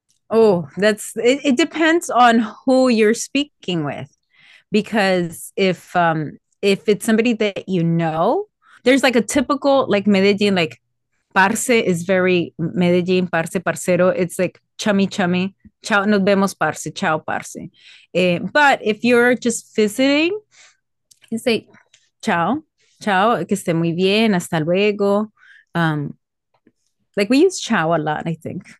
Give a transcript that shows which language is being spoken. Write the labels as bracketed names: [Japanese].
[English] Oh, it depends on who you're speaking with, because if it's somebody that you know, there's like a typical, like Medellin, like parce is very Medellin, parce, parcero. It's like chummy, chummy. [Spanish] Chao, nos vemos, parce. Chao, parce. [English] But if you're just visiting, you say, [Spanish] chao, chao, que esté muy bien, hasta luego. [English] Like we use chao a lot, I think.